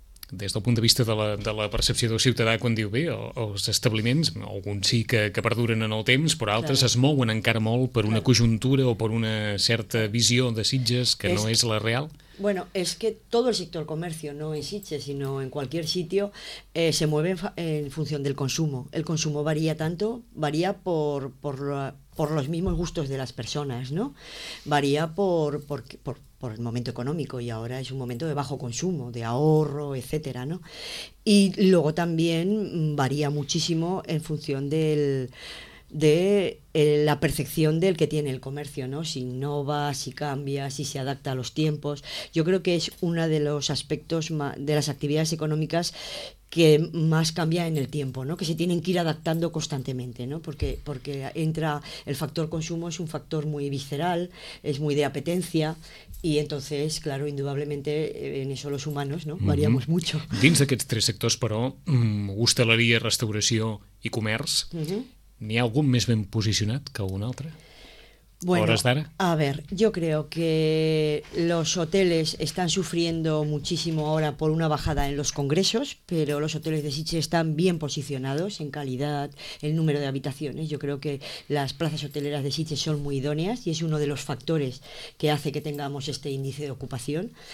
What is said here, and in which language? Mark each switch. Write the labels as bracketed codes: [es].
[ca] des del punt de vista de la percepció del ciutadà quan diu bé, els establiments, alguns sí que perduren en el temps, però altres es mouen encara molt per una conjuntura o per una certa visió de Sitges que no és la real. [es] Bueno, es que todo el sector comercio, no en Sitges, sino en cualquier sitio, se mueve en función del consumo. El consumo varía tanto, varía por los mismos gustos de las personas, ¿no? Varía por el momento económico, y ahora es un momento de bajo consumo, de ahorro, etcétera, ¿no? Y luego también varía muchísimo en función de la percepción del que tiene el comercio, ¿no? Si innova, si cambia, si se adapta a los tiempos. Yo creo que es uno de los aspectos de las actividades económicas que más cambia en el tiempo, ¿no? Que se tienen que ir adaptando constantemente, ¿no? Porque entra el factor consumo, es un factor muy visceral, es muy de apetencia, y entonces, claro, indudablemente en eso los humanos, ¿no? Variamos mucho. [ca] Dins d'aquests tres sectors, però, hostaleria, restauració i comerç. ¿N'hi ha algun més ben posicionat que algun altre? [es] Bueno, a ver, yo creo que los hoteles están sufriendo muchísimo ahora por una bajada en los congresos, pero los hoteles de Sitges están bien posicionados en calidad, en número de habitaciones. Yo creo que las plazas hoteleras de Sitges son muy idóneas y es uno de los factores que hace que tengamos este índice de ocupación.